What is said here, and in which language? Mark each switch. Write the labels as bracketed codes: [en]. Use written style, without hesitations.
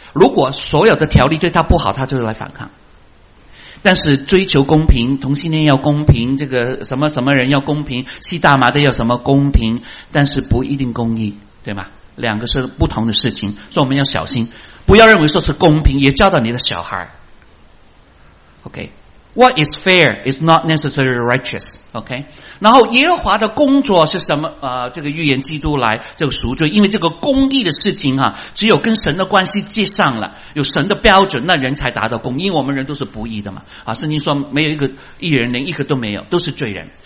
[zh] 如果所有的条例对他不好，他就来反抗。但是追求公平，同性恋要公平，这个什么什么人要公平，吸大麻的要什么公平，但是不一定公义，对吗？两个是不同的事情，所以我们要小心。不要认为说是公平，也教导你的小孩。 [en] OK， What is fair is not necessarily righteous. [zh] OK， 然后耶和华的工作是什么？这个预言基督来这个赎罪，因为这个公义的事情啊，只有跟神的关系接上了，有神的标准，那人才达到公义。因为我们人都是不义的嘛，啊，圣经说没有一个义人，连一个都没有，都是罪人。